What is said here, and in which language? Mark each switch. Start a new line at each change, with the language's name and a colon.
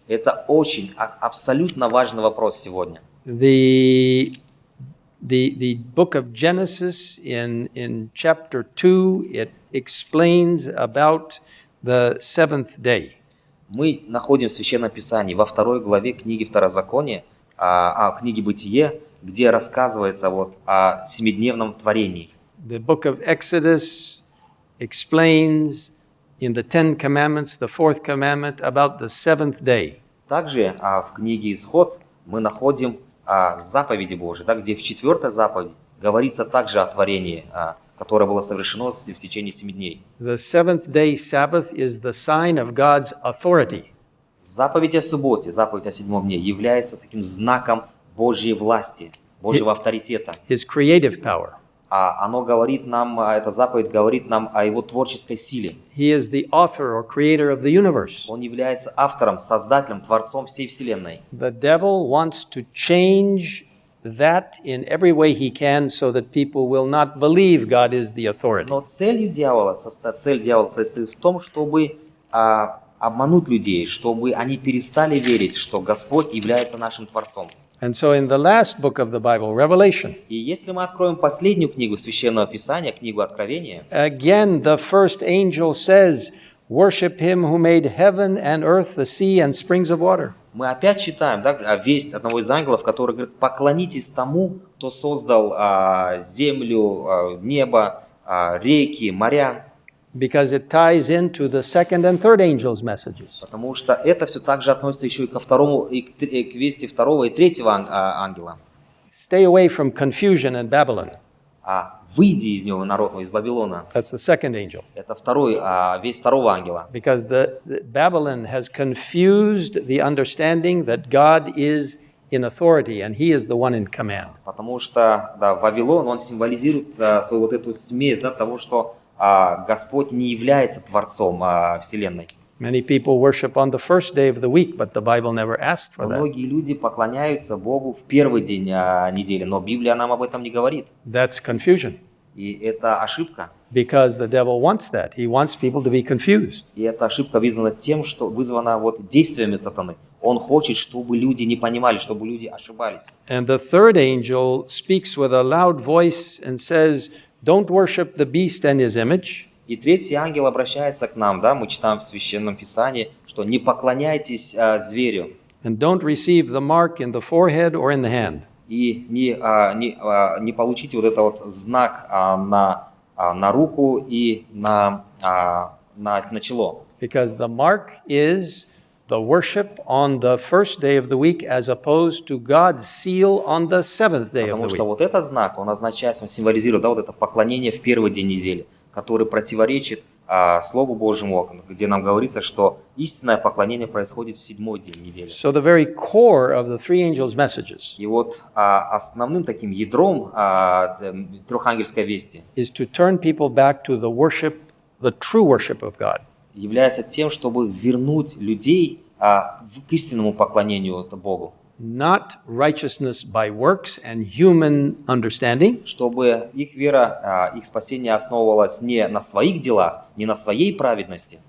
Russian: Это очень абсолютно важный вопрос сегодня.
English: The book of Genesis in chapter 2, it explains about the seventh day.
Russian: Мы находим в Священном Писании во второй главе книги Второзакония, книги Бытие, где рассказывается вот о семидневном творении.
English: The book of Exodus explains in the Ten Commandments, the fourth commandment, about the seventh day.
Russian: Также в книге Исход мы находим заповеди Божьи, да, где в четвертой заповеди говорится также о творении, которое было совершено в течение семи дней.
English: The seventh day Sabbath is the sign of God's authority.
Russian: Заповедь о субботе, заповедь о седьмом дне является таким знаком Божьей власти, Божьего авторитета.
English: His creative power.
Russian: Оно говорит нам, эта заповедь говорит нам о его творческой силе.
English: He is the author or creator of the universe.
Russian: Он является автором, создателем, творцом всей вселенной.
English: The devil wants to change that in every way he can so that people will not believe God is the authority.
Russian: Но цель дьявола состоит в том, чтобы обмануть людей, чтобы они перестали верить, что Господь является нашим творцом.
English: And so in the last book of the Bible, Revelation.
Russian: И если мы откроем последнюю книгу Священного Писания, книгу Откровения.
English: Again, the first angel says, "Worship him who made heaven and earth, the sea and springs of water."
Russian: Мы опять читаем, да, весть одного из ангелов, который говорит: "Поклонитесь тому, кто создал землю, небо, реки, моря."
English: Because it ties into the second and third angels' messages.
Russian: Потому что это все также относится еще и ко второму и к вести второго и третьего ангела.
English: Stay away from confusion and Babylon.
Russian: Выйди из него, народ, из Бабилона.
English: That's the second angel.
Russian: Это второй весть второго ангела.
English: Because the Babylon has confused the understanding that God is in authority, and he is the one in command.
Russian: Потому что да, Вавилон, он символизирует свою вот эту смесь, да, того, что Господь не является творцом вселенной.
English: Many people worship on the first day of the week, but the Bible never asked for that.
Russian: Многие люди поклоняются Богу в первый день недели, но Библия нам об этом не говорит.
English: That's confusion.
Russian: И это ошибка.
English: Because the devil wants that. He wants people to be confused.
Russian: И эта ошибка вызвана тем, что вызвана вот действиями сатаны. Он хочет, чтобы люди не понимали, чтобы люди ошибались.
English: And the third angel speaks with a loud voice and says, "Don't worship the beast and his image."
Russian: И третий ангел обращается к нам, да, мы читаем в Священном Писании, что не поклоняйтесь зверю.
English: And don't receive the mark in the forehead or in the hand.
Russian: И не получите вот этот вот знак на руку и на чело.
English: Because the mark is the worship on the first day of the week as opposed to God's seal on the seventh day of the week.
Russian: Потому что вот этот знак, он означает, он символизирует, да, вот это поклонение в первый день недели, который противоречит Слову Божьему, где нам говорится, что истинное поклонение происходит в седьмой день недели.
English: So the very core of the three angels' messages.
Russian: И вот основным таким ядром трехангельской вести
English: is to turn people back to the worship, the true worship of God.
Russian: является тем, чтобы вернуть людей к истинному поклонению Богу.
English: Not righteousness by works and human understanding.
Russian: Чтобы их вера, их спасение основывалось не на своих делах, не на своей праведности.